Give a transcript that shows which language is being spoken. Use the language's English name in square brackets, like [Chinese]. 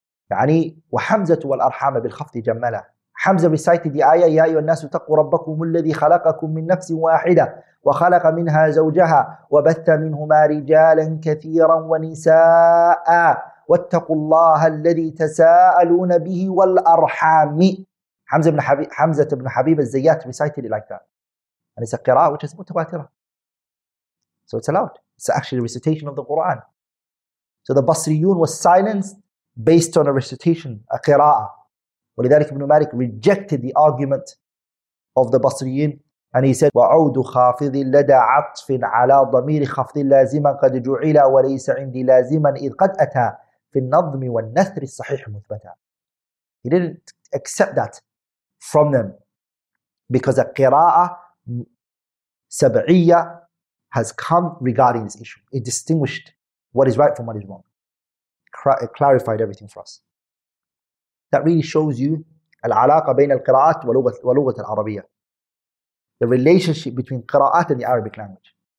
[Arabic] يعني وحمزة والأرحام بالخفض جملة. حمزة [English] recited the ayah [Arabic] يا أيها الناس اتقوا ربكم الذي خلقكم من نفس واحدة وخلق منها زوجها وبث منهما رجالا كثيرا ونساء واتقوا الله الذي تساءلون به والأرحام. [English] حمزة بن حبيب الزيات recited it like that and it's a قراءة which is متواترة. So it's allowed. It's actually a recitation of the Quran. So the Basriyun was silenced based on a recitation, a qira'ah. [Arabic] ولذلك ابن مالك [English] rejected the argument of the Basriyin and he said, [Arabic] وَعَوْدُ خَافِضٍ لَدَى عَطْفٍ عَلَى ضَمِيرِ خَفْضٍ لَازِمًا قَدْ جُعِلَ وَلَيْسَ عِنْدِي لَازِمًا إِذْ قَدْ أَتَى فِي النَّظْمِ وَالنَّثْرِ الصَّحِيحِ مُثْبَتًا. [English] He didn't accept that from them because a qira'ah sab'iyyah has come regarding this issue. It distinguished what is right from what is wrong. Clarified everything for us. That really shows you [Arabic] al-alaqa bayna al-qira'at wa lughat al-arabiyya. [English] The relationship between qira'at and the Arabic language.